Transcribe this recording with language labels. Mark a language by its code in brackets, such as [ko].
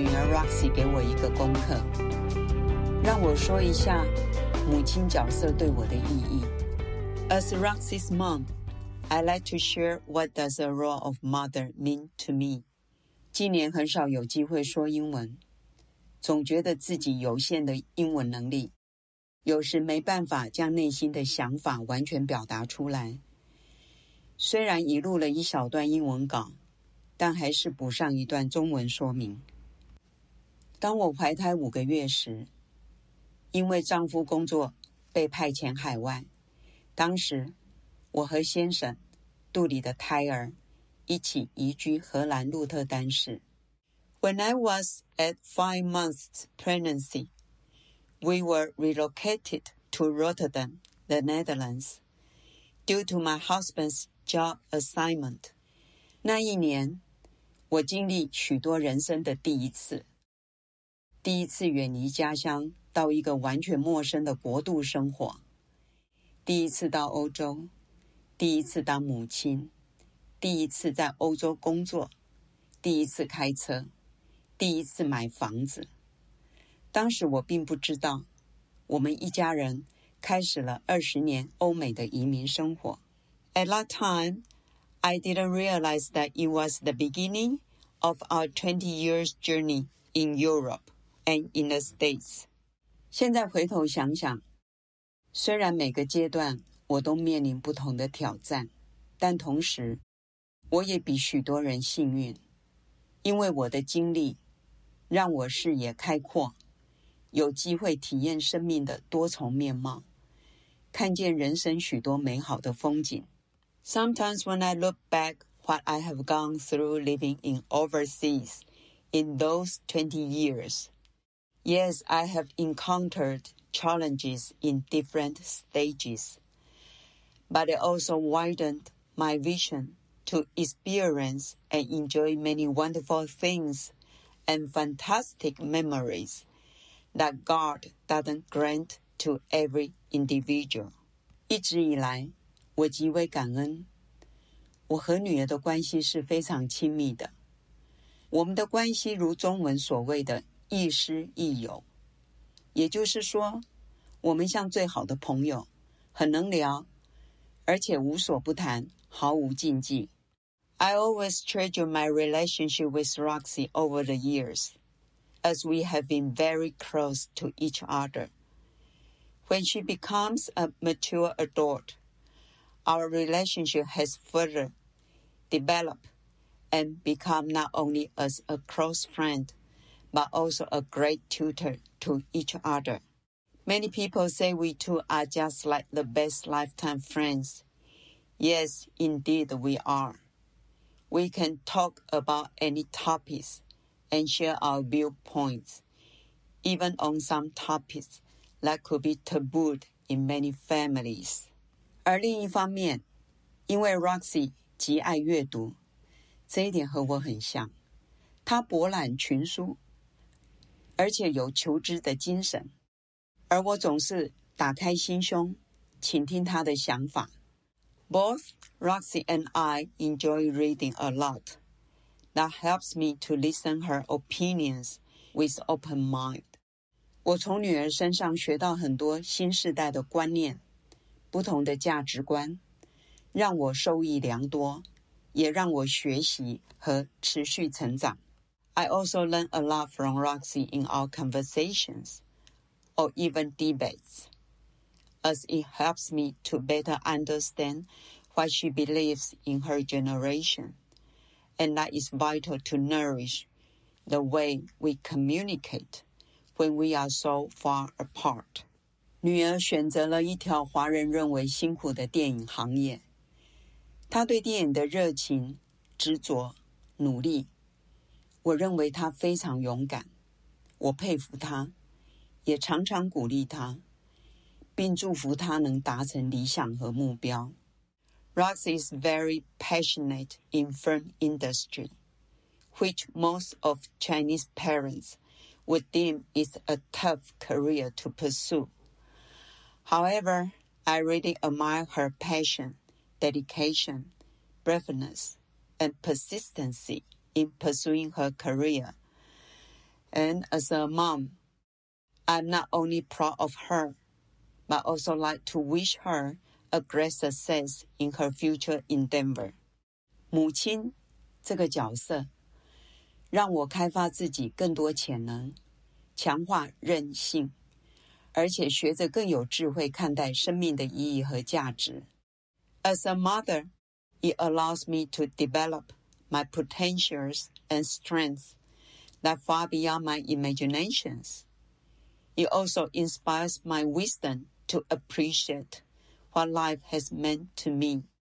[zh] Roxy 给我一个功课，让我说一下母亲角色对我的意义。 [en] As Roxy's mom, I like to share what does the role of mother mean to me. [zh] 今年很少有机会说英文，总觉得自己有限的英文能力，有时没办法将内心的想法完全表达出来。虽然已录了一小段英文稿，但还是补上一段中文说明。当我怀胎五个月时，因为丈夫工作被派遣海外，当时我和先生肚里的胎儿一起移居荷兰鹿特丹市。 [en] When I was at 5 months pregnancy, we were relocated to Rotterdam, the Netherlands, due to my husband's job assignment. [zh] 那一年，我经历许多人生的第一次。第一次远离家乡到一个完全陌生的国度生活，第一次到欧洲，第一次当母亲，第一次在欧洲工作，第一次开车，第一次买房子。当时我并不知道，我们一家人开始了20年欧美的移民生活。 [en] At that time, I didn't realize that it was the beginning of our 20 years journey in Europe. And in the States. [zh] 现在回头想想，虽然每个阶段我都面临不同的挑战，但同时我也比许多人幸运，因为我的经历让我视野开阔，有机会体验生命的多重面貌，看见人生许多美好的风景。 [en] Sometimes when I look back what I have gone through living in overseas in those 20 years,Yes, I have encountered challenges in different stages, but it also widened my vision to experience and enjoy many wonderful things and fantastic memories that God doesn't grant to every individual. [zh] 一直以来，我极为感恩，我和女儿的关系是非常亲密的，我们的关系如中文所谓的亦师亦友，也就是说，我们像最好的朋友，很能聊，而且无所不谈，毫无禁忌。 [en] I always treasure my relationship with Roxy over the years, as we have been very close to each other. When she becomes a mature adult, our relationship has further develop and become not only as a close friend, but also a great tutor to each other. Many people say we two are just like the best lifetime friends. Yes, indeed we are. We can talk about any topics and share our viewpoints, even on some topics that could be tabooed in many families. [zh] 而另一方面，因为 Roxy 极爱阅读，这一点和我很像。她博览群书，而且有求知的精神。而我总是打开心胸，倾听她的想法。 [en] Both Roxy and I enjoy reading a lot. That helps me to listen her opinions with open mind. [zh] 我从女儿身上学到很多新时代的观念，不同的价值观，让我受益良多，也让我学习和持续成长。 [en] I also learn a lot from Roxy in our conversations, or even debates. As it helps me to better understand what she believes in her generation, and that is vital to nourish the way we communicate when we are so far apart. [zh] 女儿选择了一条华人认为辛苦的电影行业。她对电影的热情、执着、努力，我认为她非常勇敢。我佩服她，也常常鼓励她。并祝福他能达成理想和目标。 [en] Roxy is very passionate in film industry, which most of Chinese parents would deem is a tough career to pursue. However, I really admire her passion, dedication, braveness, and persistency in pursuing her career. And as a mom, I'm not only proud of her,but also like to wish her a great success in her future endeavor. [zh] 母亲这个角色让我开发自己更多潜能，强化韧性，而且学着更有智慧看待生命的意义和价值。 [en] As a mother, it allows me to develop my potentials and strengths that far beyond my imaginations. It also inspires my wisdom. To appreciate what life has meant to me.